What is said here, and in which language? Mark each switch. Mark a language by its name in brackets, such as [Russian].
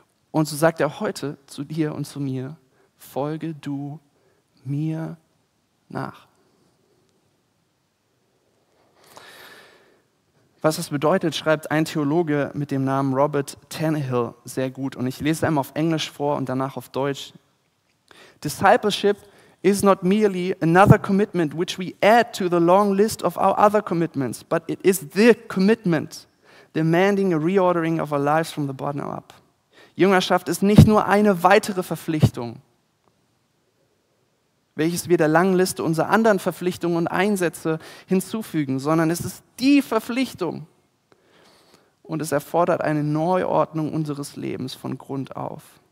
[German] Und so sagt er heute zu dir und zu mir, folge du mir nach. Was das bedeutet, schreibt ein Theologe mit dem Namen Robert Tannehill sehr gut. Und ich lese einmal auf Englisch vor und danach auf Deutsch. [English] Discipleship is not merely another commitment which we add to the long list of our other commitments, but it is the commitment demanding a reordering of our lives from the bottom up. [German] Jüngerschaft ist nicht nur eine weitere Verpflichtung, welches wir der langen Liste unserer anderen Verpflichtungen und Einsätze hinzufügen, sondern es ist die Verpflichtung und es erfordert eine Neuordnung unseres Lebens von Grund auf.